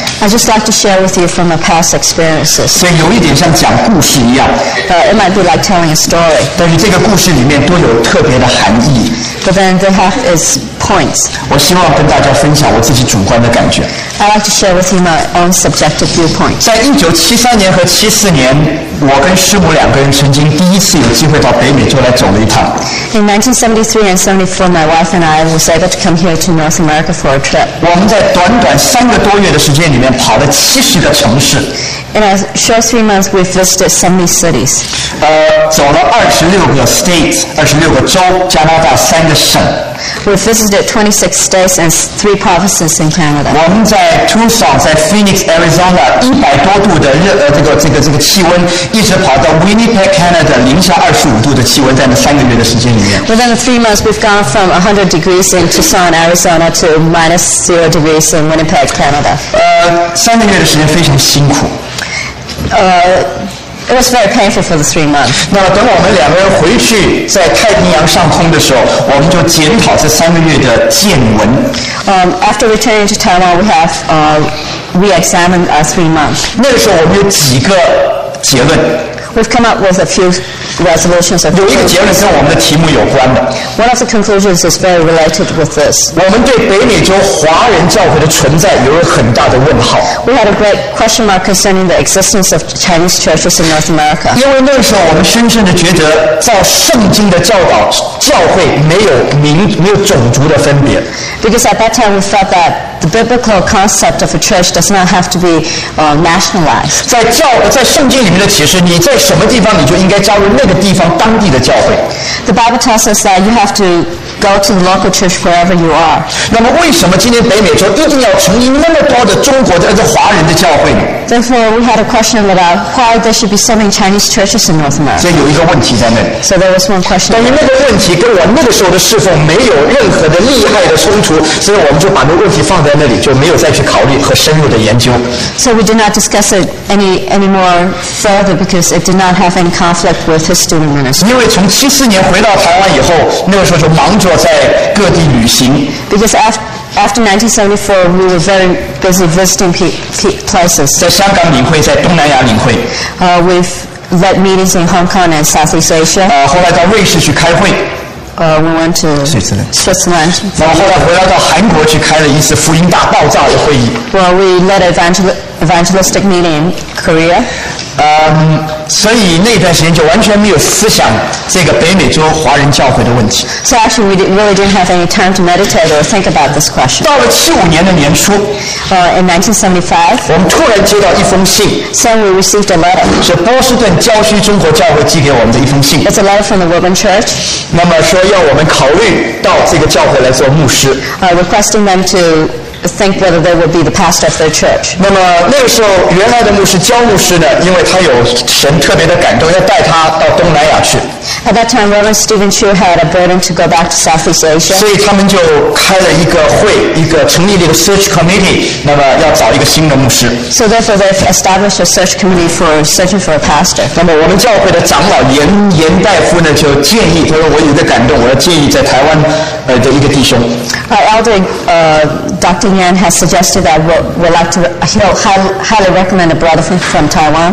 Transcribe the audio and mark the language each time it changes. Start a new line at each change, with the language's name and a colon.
English: I just like to share with you from my past experiences.
Chinese: 所以有一点像讲故事一样。
English: It might be like telling a story.
Chinese: 但是这个故事里面都有特别的含义。
English: But then they have its points.
Chinese: 我希望跟大家分享我自己主观的感觉。
English: I like to share with you my own subjective viewpoint.
Chinese: 在1973年和1974年，我跟师母两个人曾经第一次有机会到北美洲来走了一趟。
English: In 1973 and 74, my wife and I was able to come here to North America for a trip.
Chinese: 我们在短短3个多月的时间里面跑了70个城市。
English: In a short 3 months, we visited 70 cities.
Chinese: 走了26个 states, 26个州，加拿大3个省。
English: We visited visited 26 states and 3 provinces in Canada.
Chinese: 我们在 Tucson 在 Phoenix Arizona 100多度的气温，一直跑到 Winnipeg Canada -25度的气温，在那三个月的时间里面。
English: Within the 3 months, we've gone from 100 degrees in Tucson, Arizona, to -0 degrees in Winnipeg, Canada.
Chinese: 三个月的时间非常辛苦。
English: It was very painful for the 3 months.
Chinese: 那么等我们两个人回去在太平洋上空的时候，我们就检讨这三个月的见闻。
English: After returning to Taiwan, we examined our 3 months.
Chinese: 那个时候我们有几个结论。
English: We've come up with a few resolutions.
Chinese: 有一个结论跟我们的题目有关的。
English: One of the conclusions is very related with this.
Chinese: 我们对北美洲华人教会的存在有了很大的问号。
English: We had a great question mark concerning the existence of Chinese churches in North America.
Chinese: 因为那时候我们深深的觉得，照圣经的教导，教会没有种族的分别。
English: Because at that time we felt that the biblical concept of a church does not have to be nationalized.
Chinese: 在圣经里面的启示，你在什么地方你就应该加入那个地方当地的教会。
English: The Bible tells us that you have to go to the local church wherever you are.
Chinese: 那么为什么今天北美洲一定要成立那么多的中国的这华人的教会呢？
English: Therefore, we had a question about why there should be so many Chinese churches in North America.
Chinese: 所以有一个问题在那。
English: So there was one question.
Chinese: 但是那个问题跟我那个时候的侍奉没有任何的利害的冲突，所以我们就把那个问题放在那里，就没有再去考虑和深入的研究。
English: So we did not discuss it any more further because it did not have any conflict with his student ministry.
Chinese: 因为从1974年回到台湾以后，那个时候就忙着在各地旅行。
English: Because after 1974, we were very busy visiting places.
Chinese: 在香港领会，在东南亚领会。
English: We've led meetings in Hong Kong and Southeast Asia.
Chinese: 后来到瑞士去开会。
English: We went to Switzerland.
Chinese: 然后后来回来到韩国去开了一次福音大爆炸的会议。
English: Well, we led an evangelistic meeting in Korea.
Chinese: 所以那段时间就完全没有思想这个北美洲华人教会的问题。
English: So actually, we really didn't have any time to meditate or think about this question.
Chinese: 到了1975年的年初。
English: In 1975.
Chinese: 我们突然接到一封信。
English: So we received a letter.
Chinese: 是波士顿郊区中国教会寄给我们的一封信。
English: It's a letter from the Woburn Church.
Chinese: 那么说要我们考虑到这个教会来做牧师。
English: Requesting them to think whether they would be the pastor of their church.
Chinese: 那么那个时候原来的牧师焦牧师呢，因为他有神特别的感动，要带他到东南亚去。
English: At that time, Reverend Stephen Chu had a burden to go back to Southeast Asia.
Chinese: 所以他们就开了一个会，一个成立了一个 search committee， 那么要找一个新的牧师。
English: So therefore, they've established a search committee for searching for a pastor.
Chinese: 那么我们教会的长老严大夫呢，就建议，他说我有一个感动，我要建议在台湾的一个弟兄。
English: Our elder, Dr. Yan has suggested that we'd like to highly recommend a brother from Taiwan.